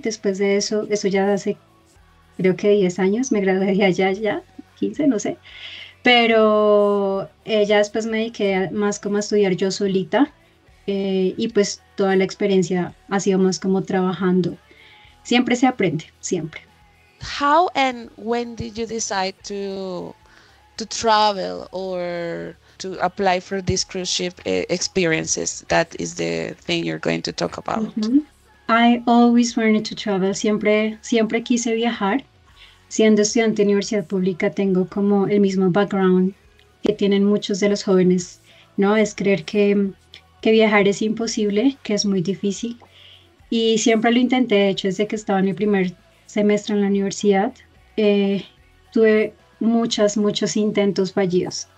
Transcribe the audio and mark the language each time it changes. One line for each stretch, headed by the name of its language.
Spanish: Después de eso, eso ya hace creo que 10 años, me gradué de allá ya, 15, no sé. Pero ya después me dediqué más como a estudiar yo solita y pues toda la experiencia ha sido más como trabajando. Siempre se aprende, siempre.
English: How and when did you decide to travel or to apply for this cruise ship experiences? That is the thing you're going to talk about. Mm-hmm. I always wanted to travel.
Spanish: Siempre quise viajar. Siendo estudiante de universidad pública, tengo como el mismo background que tienen muchos de los jóvenes, ¿no? Es creer que viajar es imposible, que es muy difícil. Y siempre lo intenté, de hecho, desde que estaba en mi primer semestre en la universidad, tuve muchos intentos fallidos.